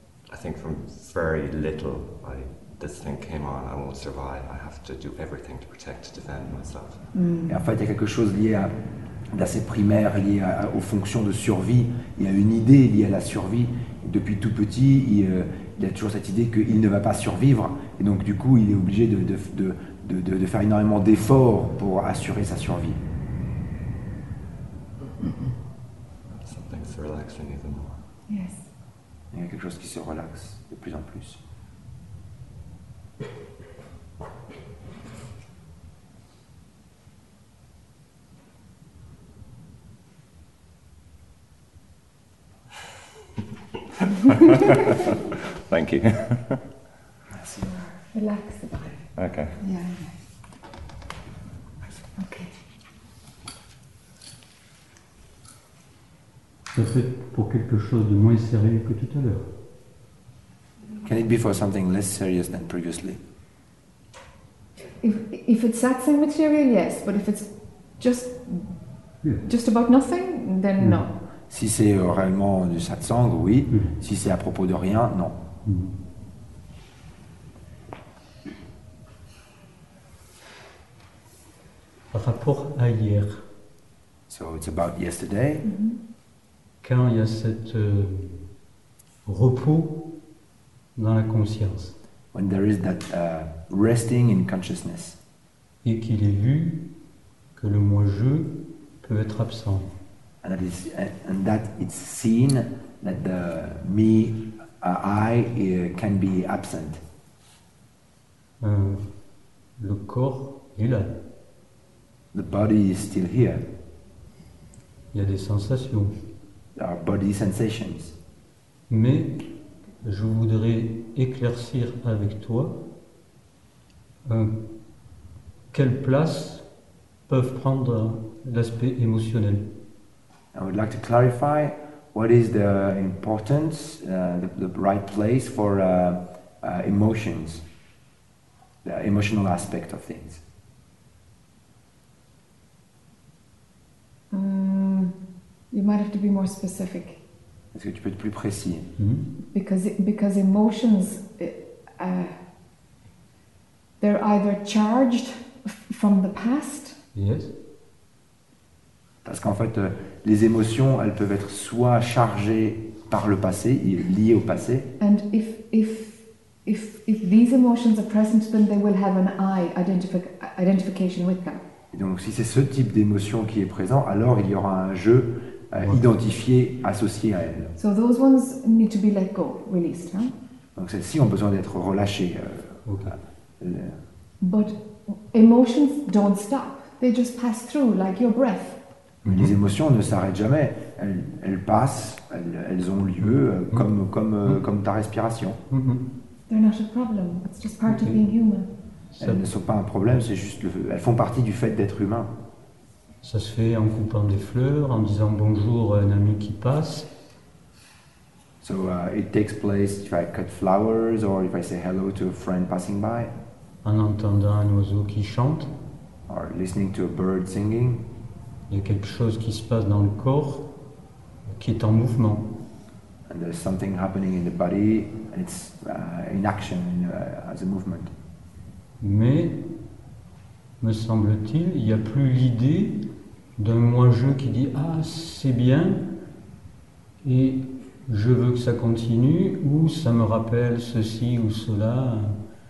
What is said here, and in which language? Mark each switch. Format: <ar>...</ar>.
<en>I think from very little, this thing came on, I won't survive. I have to do everything to protect, to defend myself.</en> <fr>Et en fait, il y a quelque chose lié à d'assez primaire, lié aux fonctions de survie. Il y a une idée liée à la survie. Depuis tout petit, il y a toujours cette idée qu'il ne va pas survivre. Et donc, du coup, il est obligé de faire énormément d'efforts pour assurer sa survie.</fr> <en>Something's relaxing even more. Yes.</en> <fr>Il y a quelque chose qui se relaxe de plus en plus.</fr> <en>Thank you. Relax the body. Okay. Yeah. Okay.</en> <fr>Ça fait pour quelque chose de moins sérieux que tout à l'heure.</fr> <en>Can it be for something less serious than previously? If it's satsang material, yes. But if it's just about nothing, then no.</en> <fr>Si c'est réellement du satsang, oui. Mm. Si c'est à propos de rien, non. Par rapport à hier.</fr> <en>So it's about yesterday. Mm-hmm.</en> <fr>Quand il y a cette repos dans la conscience.</fr> <en>When there is that resting in consciousness.</en> <fr>Et qu'il est vu que le moi-je peut être absent.</fr> <en>And that it's seen that the me, I, can be absent.</en> <fr>Le corps est là.</fr> <en>The body is still here.</en> <fr>Il y a des sensations.</fr> <en>There are body sensations.</en> <fr>Mais je voudrais éclaircir avec toi quelle place peuvent prendre l'aspect émotionnel.</fr> <en>I would like to clarify what is the importance, the right place for emotions, the emotional aspect of things. You might have to be more specific.</en> <fr>Est-ce que tu peux être plus précis?</fr> <en>Because emotions, they're either charged from the past. Yes.</en> <fr>Parce qu'en fait, les émotions, elles peuvent être soit chargées par le passé, liées au passé.</fr> <en>And if these emotions are present, then they will have an I identification with them.</en> <fr>Et donc, si c'est ce type d'émotion qui est présent, alors il y aura un jeu identifié, associé à elle.</fr> <en>So those ones need to be let go, released, huh?</en> <fr>Donc celles-ci ont besoin d'être relâchées.</fr> <en>But emotions don't stop. They just pass through, like your breath.</en> <fr>Mais les émotions ne s'arrêtent jamais. Elles passent, elles ont lieu comme ta respiration.</fr> <en>Mm-hmm. They're not a problem. It's just part of being human.</en> <fr>Elles ne sont pas un problème, c'est juste elles font partie du fait d'être humain. Ça se fait en coupant des fleurs, en disant bonjour à un ami qui passe.</fr> <en>So it takes place if I cut flowers or if I say hello to a friend passing by.</en> <fr>En entendant un oiseau qui chante.</fr> <en>Or listening to a bird singing.</en> <fr>Il y a quelque chose qui se passe dans le corps qui est en mouvement.</fr> <en>And there's something happening in the body and it's in action as a movement.</en> <fr>Mais me semble-t-il, il n'y a plus l'idée d'un moi-je qui dit « Ah, c'est bien, et je veux que ça continue, ou ça me rappelle ceci ou cela. »</fr>